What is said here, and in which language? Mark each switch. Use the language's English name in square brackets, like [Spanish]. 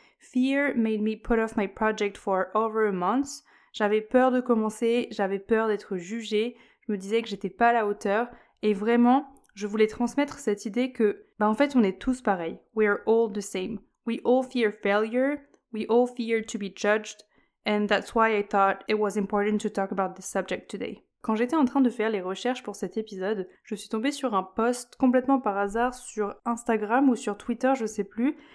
[English] Fear made me put off my project for over a month. [French] J'avais peur de commencer, j'avais peur d'être jugée, je me disais que j'étais pas à la hauteur, et vraiment, je voulais transmettre cette idée que, en fait, on est tous pareils. [English] We are all the same. We all fear failure. We all fear to be judged. And that's why I thought it was important to talk about this subject today. [French] Quand j'étais en train de faire les recherches pour cet épisode, je suis tombée sur un post complètement par hasard sur Instagram ou sur Twitter, je sais plus.